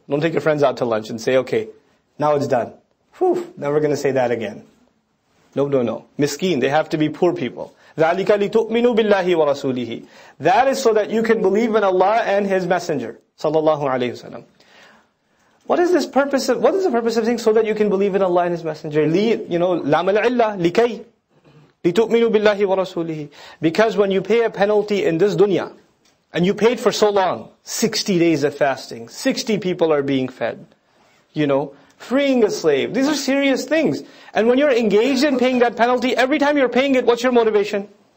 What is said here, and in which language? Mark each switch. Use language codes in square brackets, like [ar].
[en] Don't take your friends out to lunch and say, okay, now it's done. Whew, never going to say that again. No, no, no. Miskeen, they have to be poor people. [ar] ذَلِكَ لِتُؤْمِنُوا بِاللَّهِ وَرَسُولِهِ. [en] That is so that you can believe in Allah and His Messenger. [ar] Sallallahu alayhi wasallam. [en] What is the purpose of saying so that you can believe in Allah and His Messenger? You know, [ar] لَمَ الْعِلَّةِ لِكَيْ. لِتُؤْمِنُوا بِاللَّهِ وَرَسُولِهِ. [en] Because when you pay a penalty in this dunya, and you paid for so long, 60 days of fasting, 60 people are being fed, you know, freeing a slave. These are serious things. And when you're engaged in paying that penalty, every time you're paying it, what's your motivation?